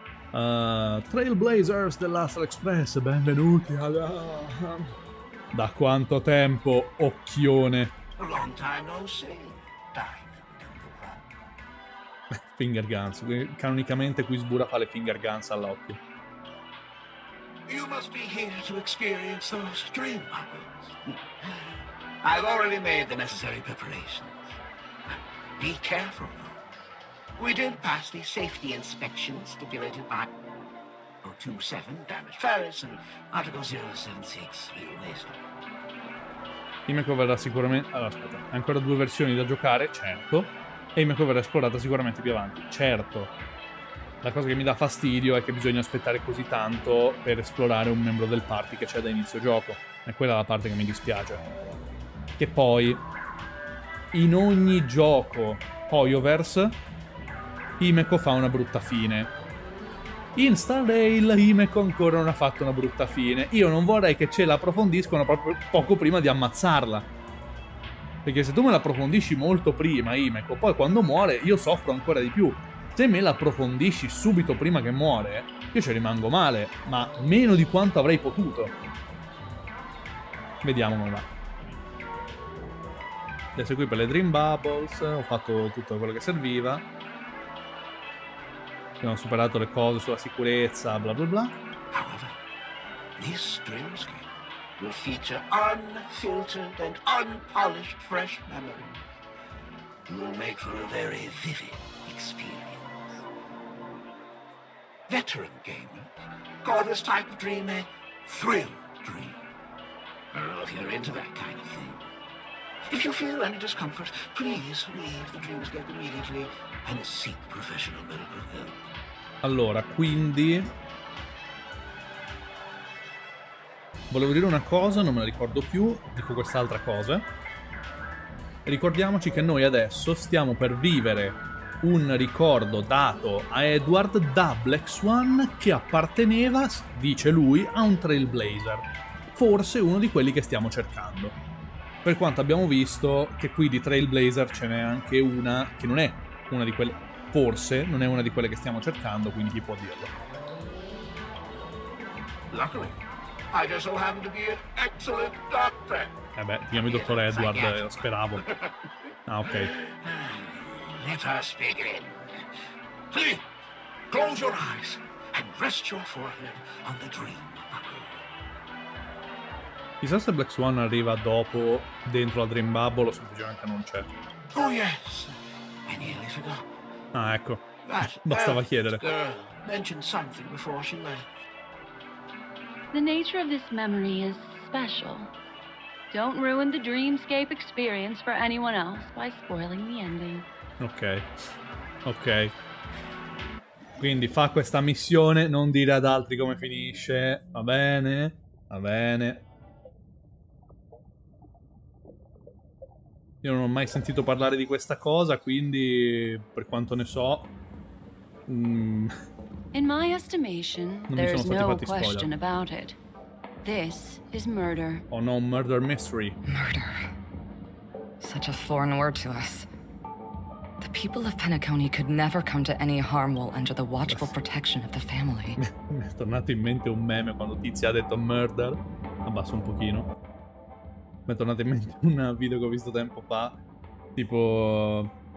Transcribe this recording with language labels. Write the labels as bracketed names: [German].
[Italian] Trailblazers dell'Astral Express, benvenuti alla... Da quanto tempo, occhione? [English] Long time no see. Time. Finger guns. [Italian] Canonicamente qui Sbura fa le finger guns all'occhio. [English] You must be here to experience those dream puppets. I've already made the necessary preparations. Be careful. We didn't pass the safety inspection stipulated by 027 damage Ferris and Article 076 Leo. [Italian] Himeko verrà sicuramente. Allora, aspetta. Ancora 2 versioni da giocare, certo. E Himeko verrà esplorata sicuramente più avanti, certo. La cosa che mi dà fastidio è che bisogna aspettare così tanto per esplorare un membro del party che c'è da inizio gioco. E quella è la parte che mi dispiace. Che poi in ogni gioco Hoyoverse Himeko fa una brutta fine. In Star Rail Himeko ancora non ha fatto una brutta fine. Io non vorrei che ce l'approfondiscono proprio poco prima di ammazzarla, perché se tu me l'approfondisci molto prima Himeko, poi quando muore io soffro ancora di più. Se me l'approfondisci subito prima che muore io ci rimango male, ma meno di quanto avrei potuto. Vediamo come va. Adesso qui per le Dream Bubbles, ho fatto tutto quello che serviva. Abbiamo superato le cose sulla sicurezza, bla bla bla. [English] However, this dreamscape will feature unfiltered and unpolished fresh memories. It will make for a very vivid experience. Veteran gamers call this type of dream a thrill dream. I don't know if you're into that kind of thing. If you feel any discomfort, please leave the dreamscape immediately and seek professional medical help. [Italian] Allora, quindi volevo dire una cosa, non me la ricordo più, dico quest'altra cosa. Ricordiamoci che noi adesso stiamo per vivere un ricordo dato a Edward da Black Swan, che apparteneva, dice lui, a un trailblazer, forse uno di quelli che stiamo cercando. Per quanto abbiamo visto che qui di trailblazer ce n'è anche una che non è una di quelle, forse non è una di quelle che stiamo cercando, quindi chi può dirlo? [English] Luckily I just so happen to be an excellent doctor. [Italian] Eh beh, chiami dottor Edward, lo speravo. Ah, ok. [English] Let us begin. Please, close your eyes and rest your forehead on the dream. [Italian] Chissà se Black Swan arriva dopo, dentro al Dream Bubble, o semplicemente non c'è. [English] Oh yes, I nearly forgot. [Italian] Ah, ecco. Bastava chiedere. [English] Girl mentioned something before she left. The nature of this memory is special. Don't ruin the dreamscape experience for anyone else by spoiling the ending. Ok. Ok. [Italian] Quindi fa questa missione, non dire ad altri come finisce. Va bene? Va bene. Io non ho mai sentito parlare di questa cosa, quindi per quanto ne so... [English] In my estimation, there is no question about it. This is murder. Oh no, murder mystery. Murder. Such a foreign word to us. The people of Penacony could never come to any harm while under the watchful protection of the family. [Italian] Mi è tornato in mente un meme quando Tizia ha detto murder. Abbasso un pochino. Mi è tornato in mente un video che ho visto tempo fa. Tipo...